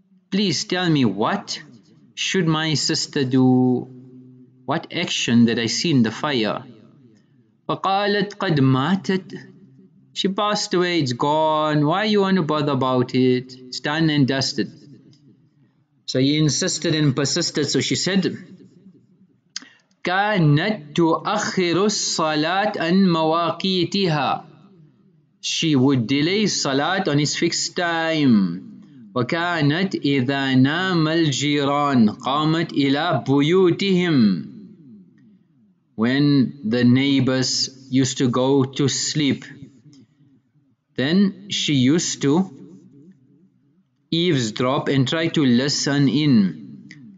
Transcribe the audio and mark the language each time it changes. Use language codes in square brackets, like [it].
[en] Please tell me, what should my sister do? What action that I see in the fire? [ar] فَقَالَتْ قَدْ مَاتَتْ. [en] She passed away, it's gone. Why you want to bother about it? It's done and dusted. So he insisted and persisted. So she said, [ar] كَانَتْ تُؤَخِّرُ الصَّلَاةَ أَنْ مَوَاقِيتِهَا. [en] She would delay salat on his fixed time. [ar] وَكَانَتْ إِذَا نَامَ الْجِيرَانِ قَامَتْ إِلَى بُيُوتِهِمْ. [en] When the neighbors used to go to sleep, then she used to eavesdrop and try to listen in.